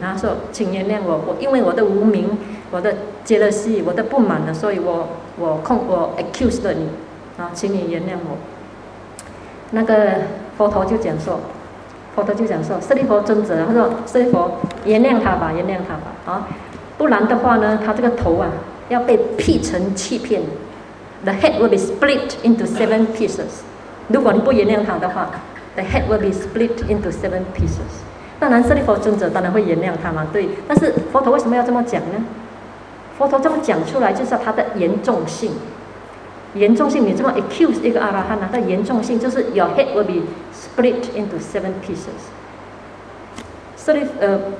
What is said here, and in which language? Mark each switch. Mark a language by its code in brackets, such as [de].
[zh] 他说：“请原谅我，我因为我的无明，我的 jealousy， 我的不满了，所以我 accuse 了你啊，请你原谅我。” 那个佛陀就讲说。佛陀就讲说：“舍利弗尊者，他说舍利弗，原谅他吧，原谅他吧，啊，不然的话呢，他这个头啊，要被劈成七片。 [en] The head will be split into seven pieces. [zh] 如果你不原谅他的话 [en] ，the head will be split into seven pieces. [zh] 当然，舍利弗尊者当然会原谅他嘛，对。但是佛陀为什么要这么讲呢？佛陀这么讲出来，就是他的严重性。严重性，你这么 accuse 一个阿拉汉呢？他严重性就是 [en] your head will be split into seven pieces.